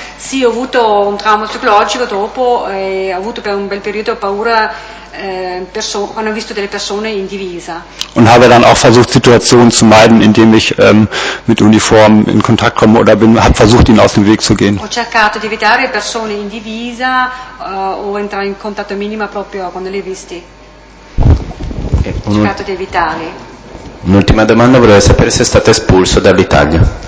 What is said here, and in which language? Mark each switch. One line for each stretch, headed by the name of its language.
Italian: Sì, ho avuto un trauma psicologico dopo e ho avuto per un bel periodo paura quando ho visto delle persone in divisa.
German: Und habe dann auch versucht, Situationen zu meiden, indem ich mit Uniform in Kontakt komme oder bin, habe versucht, ihnen aus dem Weg zu gehen.
Italian: Ho cercato di evitare persone in divisa o entrare in contatto minimo proprio quando le ho visti. Ho cercato di evitare. Un'ultima domanda, vorrei sapere se è stato espulso dall'Italia.